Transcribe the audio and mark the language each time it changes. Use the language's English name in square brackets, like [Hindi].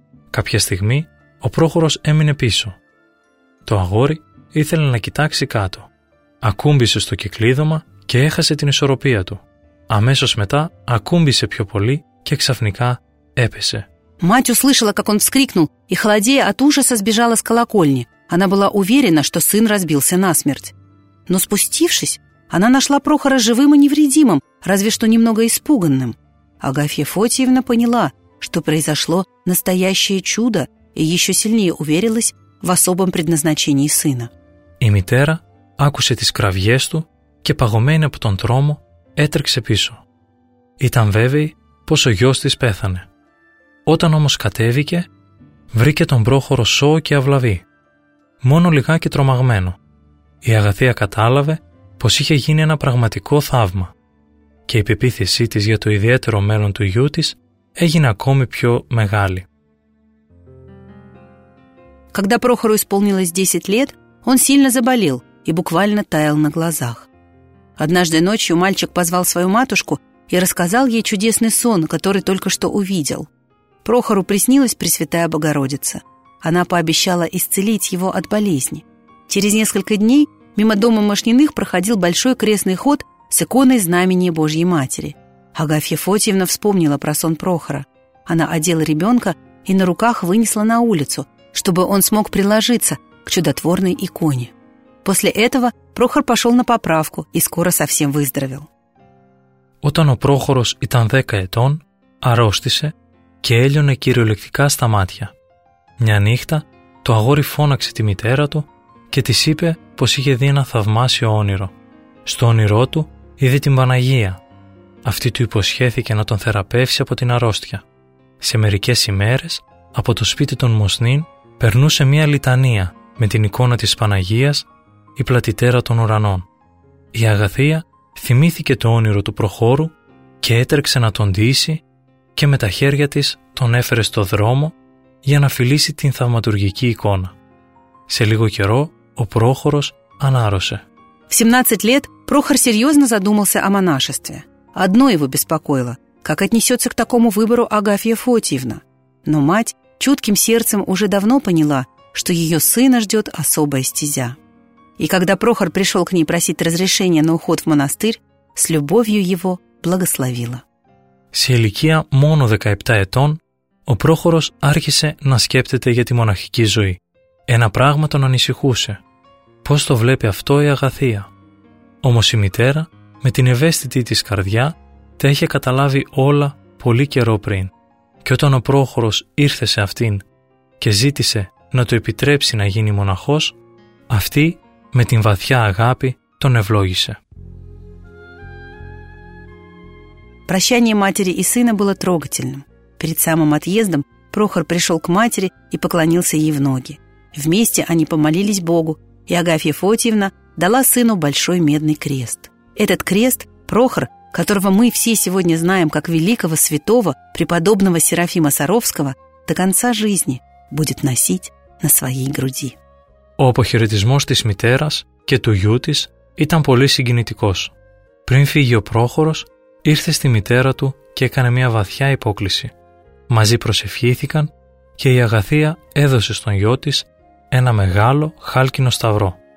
[Greek] Κάποια στιγμή, ο Πρόχορος έμεινε πίσω. Το αγόρι ήθελε να κοιτάξει κάτω. Ακούμπησε στο κυκλίδωμα και έχασε την ισορροπία του. Αμέσως μετά ακούμπησε πιο πολύ και ξαφνικά έπεσε. [Russian] Мать услышала, как он вскрикнул, и, холодея от ужаса, сбежала с колокольни. Она была уверена, что сын разбился насмерть. Но спустившись, она нашла Прохора живым и невредимым, разве что немного испуганным. Агафья Фотиевна поняла, что произошло настоящее чудо, и еще сильнее уверилась в особом предназначении сына. [Greek] Η μητέρα άκουσε τις κραυγές του και παγωμένη από τον τρόμο έτρεξε πίσω. Ήταν βέβαιη πως ο γιος της πέθανε. Όταν όμως κατέβηκε, βρήκε τον Πρόχορο σώο και αυλαβή. μόνο λιγάκι τρομαγμένο. Η Αγαθία κατάλαβε πως είχε γίνει ένα πραγματικό θαύμα και η πεποίθησή της για το ιδιαίτερο μέλλον του γιού της έγινε ακόμη πιο μεγάλη. [Russian] Когда Прохору исполнилось 10 лет, он сильно заболел и буквально таял на глазах. Однажды ночью мальчик позвал свою матушку и рассказал ей чудесный сон, который только что увидел. Прохору приснилась Пресвятая Богородица. Она пообещала исцелить его от болезни. Через несколько дней мимо дома Машниных проходил большой крестный ход с иконой Знамения Божьей Матери. Агафья Фотиевна вспомнила про сон Прохора. Она одела ребенка и на руках вынесла на улицу, чтобы он смог приложиться к чудотворной иконе. После этого Прохор пошел на поправку и скоро совсем выздоровел. [Greek] Όταν ο Πρόχορος ήταν 10 ετών, αρρώστησε και έλειωνε κυριολεκτικά στα μάτια. Μια νύχτα, το αγόρι φώναξε τη μητέρα του και της είπε πως είχε δει ένα θαυμάσιο όνειρο. Στο όνειρό του είδε την Παναγία. Αυτή του υποσχέθηκε να τον θεραπεύσει από την αρρώστια. Σε μερικές ημέρες, από το σπίτι των Μοσνίν, περνούσε μια λιτανία με την εικόνα της Παναγίας, η πλατητέρα των ουρανών. Η Αγαθία θυμήθηκε το όνειρο του Προχώρου και έτρεξε να τον ντύσει και με τα χέρια της τον έφερε στο δρόμο για να φιλήσει την θαυματουργική εικόνα. Σε λίγο καιρό ο Πρόχορος ανάρρωσε. [Russian] В 17 лет Прохор серьезно задумался о монашестве. Одно его беспокоило, как отнесется к такому выбору Агафья Фотиевна. Но мать чутким сердцем уже давно поняла, что ее сына ждет особая стезя. И когда Прохор пришел к ней просить разрешения на уход в монастырь, с любовью его благословила. [Greek] Σε ηλικία μόνο 17 ετών, ο Πρόχορος άρχισε να σκέπτεται για τη μοναχική ζωή. Ένα πράγμα τον ανησυχούσε. Πώς το βλέπει αυτό η Αγαθία? Όμως η μητέρα, με την ευαίσθητη της καρδιά, τα είχε καταλάβει όλα πολύ καιρό πριν. Και όταν ο Πρόχορος ήρθε σε αυτήν και ζήτησε να του επιτρέψει να γίνει μοναχός, αυτή με την βαθιά αγάπη τον ευλόγησε. [Russian] Прощание матери и сына было трогательным. Перед самым отъездом Прохор пришел к матери и поклонился ей в ноги. Вместе они помолились Богу, и Агафья Фотиевна дала сыну большой медный крест. Этот крест Прохор, которого мы все сегодня знаем как великого святого, преподобного Серафима Саровского, до конца жизни будет носить на своей груди. [Greek] Ο αποχαιρετισμός της μητέρας και του γιού της ήταν πολύ συγκινητικός. Πριν φύγει ο Πρόχορος, ήρθε στη μητέρα του και έκανε μια βαθιά υπόκληση. Μαζί προσευχήθηκαν και η Αγαθία έδωσε στον γιο της ένα μεγάλο χάλκινο σταυρό.